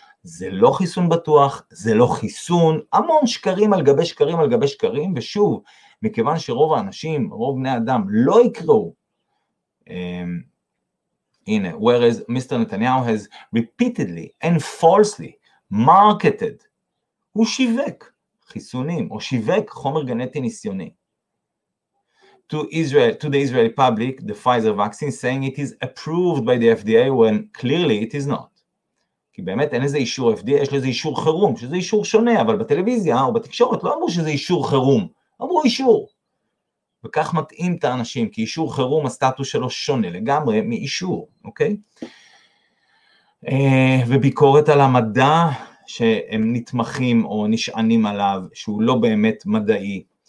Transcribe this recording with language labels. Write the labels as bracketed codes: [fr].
[he] זה לא חיסון בטוח, זה לא חיסון, המון שקרים על גבי שקרים על גבי שקרים, ושוב, מכיוון שרוב האנשים, רוב בני אדם, לא יקראו, הנה, [en] whereas Mr. Netanyahu has repeatedly and falsely marketed, [he] הוא שיווק חיסונים, או שיווק חומר גנטי ניסיוני. [en] To the Israeli public, the Pfizer vaccine saying it is approved by the FDA when clearly it is not. [he] כי באמת אין איזה אישור FDA, יש לזה אישור חירום, שזה אישור שונה, אבל בטלוויזיה או בתקשורת לא אמרו שזה אישור חירום, אמרו אישור. וכך מתאים את האנשים, כי אישור חירום הסטטוס שלו שונה לגמרי מאישור, אוקיי? וביקורת על המדע שהם נתמכים או נשענים עליו, שהוא לא באמת מדעי.